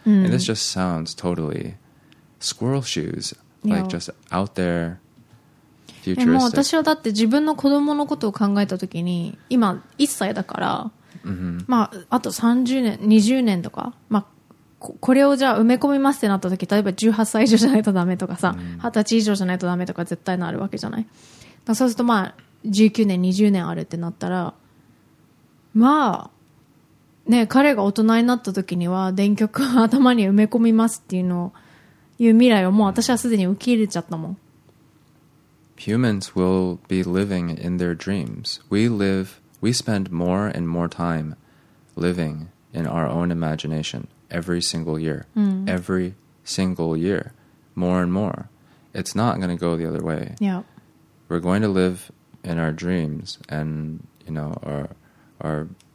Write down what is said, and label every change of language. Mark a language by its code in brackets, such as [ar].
[en] And this just sounds totally squirrel shoes, like just out there, futuristic. [ja] もう私はだって自分の子供のことを考えた時に、今1歳だから、まああと30年、20年とか、まあこれをじゃあ埋め込みますってなった時、例えば18歳以上じゃないとダメとかさ、20歳以上じゃないとダメとか絶対なるわけじゃない。だそうするとまあ19年、20年あるってなったら、まあね、彼が大人になった時には電極を頭に埋め込みますっていうのをいう未来をもう私はすでに受け入れちゃったもん。 [en] Humans will be living in their dreams. We spend more and more time living in our own imagination every single year. Every single year. More and more. It's not going to go the other way. Yeah. We're going to live in our dreams and, you know, our...